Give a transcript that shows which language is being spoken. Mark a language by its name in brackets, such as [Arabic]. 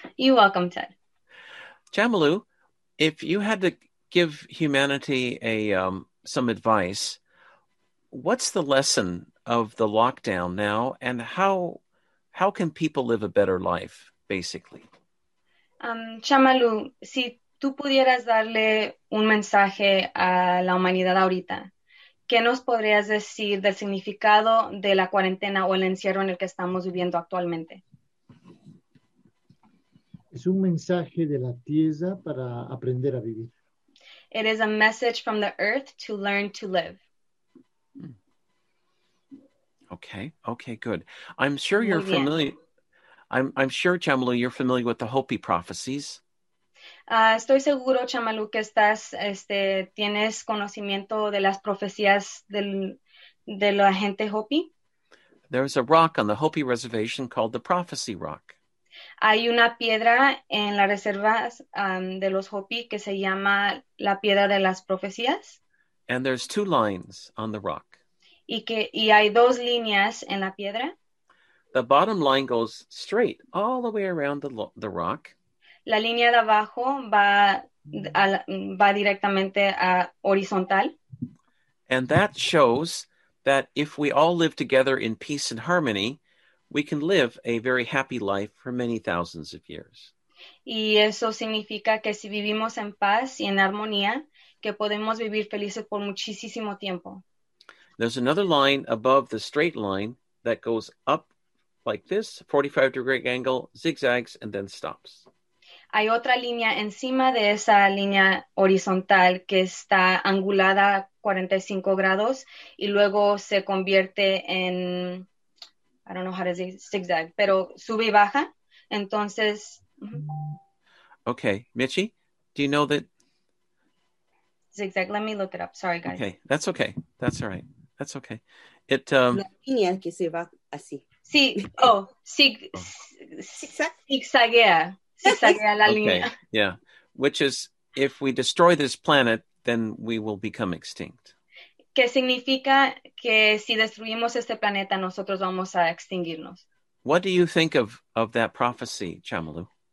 [English] You're welcome, Ted. Jamalu, if you had to give humanity some advice, what's the lesson of the lockdown now, and how can people live a better life, basically? [Spanish] Jamalu, si tú pudieras darle un mensaje a la humanidad ahorita, ¿qué nos podrías decir del significado de la cuarentena o el encierro en el que estamos viviendo actualmente? Es un mensaje de la tierra para aprender a vivir. [English] It is a message from the earth to learn to live. Okay, good. I'm sure you're familiar. I'm sure, Jamalu, you're familiar with the Hopi prophecies. [Spanish] Estoy seguro, Jamalu, que estás, tienes conocimiento de las profecías de la gente Hopi. [English] There's a rock on the Hopi reservation called the Prophecy Rock. [Spanish] Hay una piedra en la reserva de los Hopi que se llama la piedra de las profecías. [English] And there's two lines on the rock. [Spanish] Y hay dos líneas en la piedra. [English] The bottom line goes straight all the way around the rock. [Spanish] La línea de abajo va directamente a horizontal. [English] And that shows that if we all live together in peace and harmony, we can live a very happy life for many thousands of years. [Spanish] Y eso significa que si vivimos en paz y en armonía, que podemos vivir felices por muchísimo tiempo. [English] There's another line above the straight line that goes up like this, 45 degree angle, zigzags, and then stops. [Spanish] Hay otra línea encima de esa línea horizontal que está angulada 45 grados y luego se convierte en, [English] I don't know how to say zigzag, [Spanish] pero sube y baja. Entonces. [English] Okay, Michi, do you know that? Zigzag, let me look it up. Sorry, guys. Okay, that's okay. That's all right. That's okay. [Spanish] It, la línea que se va así. Sí, zigzaguea. [English] Okay. Yeah, which is if we destroy this planet, then we will become extinct. [Spanish] ¿Qué significa que si destruimos este planeta, nosotros vamos a extinguirnos? [English] What do you think of that prophecy, Jamalu?